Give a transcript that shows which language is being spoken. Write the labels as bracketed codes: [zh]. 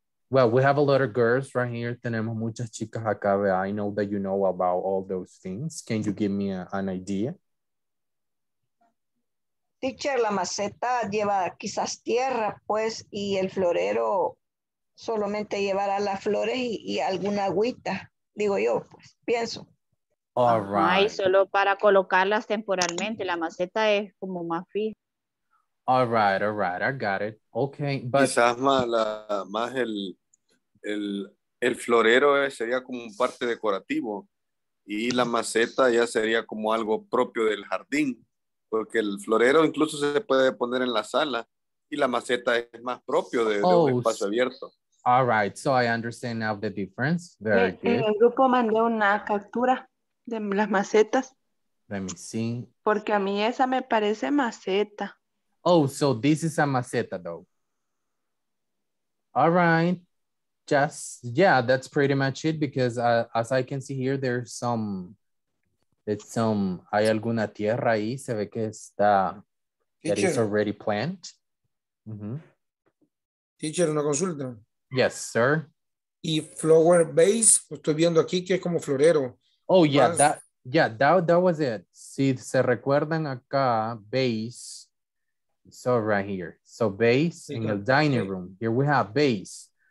[en] Well, we have a lot of girls right here. [es] Tenemos muchas chicas acá. [en] I know that you know about all those things. Can you give me an idea? [es] Teacher, la maceta lleva quizás tierra, pues, y el florero solamente llevará las flores y alguna agüita. Digo yo, pues, pienso. [en] All right. [es] Ay, solo para colocarlas temporalmente. La maceta es como más fija. [en] All right, I got it. Okay, but... [es] Quizás más el florero sería como un parte decorativo y la maceta ya sería como algo propio del jardín, porque el florero incluso se puede poner en la sala y la maceta es más propio de un espacio abierto. [en] All right, so I understand now the difference. Very good. [es] El grupo mandó una captura de las macetas. [en] Let me see. [es] Porque a mí esa me parece maceta. [en] Oh, so this is a maceta though. All right. Just, yeah, that's pretty much it because as I can see here, there's some, [es] hay alguna tierra ahí, se ve que está, [en] that is already planted. Mm-hmm. [es] Teacher, una consulta. [en] Yes, sir. [es] Y flower base, estoy viendo aquí que es como florero. [en] Oh, yeah, that was it. [es] Si se recuerdan acá, [en] base, so right here. So base in the dining room. Here we have base.